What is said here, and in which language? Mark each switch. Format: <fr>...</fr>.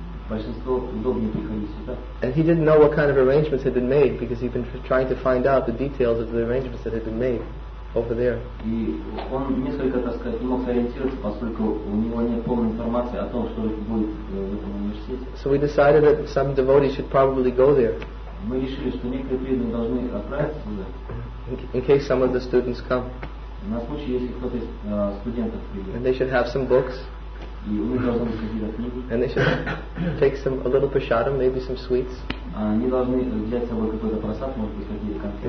<en>And he didn't know what kind of arrangements had been made because he'd been trying to find out the details of the arrangements that had been made over there.</en> <ru>И он несколько, так сказать, не мог сориентироваться, поскольку у него нет полной информации о том, что будет в этом университете.</ru> <en>So we decided that some devotees should probably go there.</en> <ru>Мы решили, что некоторые преданные должны отправиться туда.</ru> <en>In case some of the students come.</en> <ru>На случай, если кто-то из студентов придет.</ru> <en>And they should have some books.</en> <ru>И у них должны быть какие-то книги.</ru> <en>And they should take a little prasadam, maybe some sweets.</en> <ru>Они должны взять с собой какой-то просад, может быть, какие-то конфеты.</ru>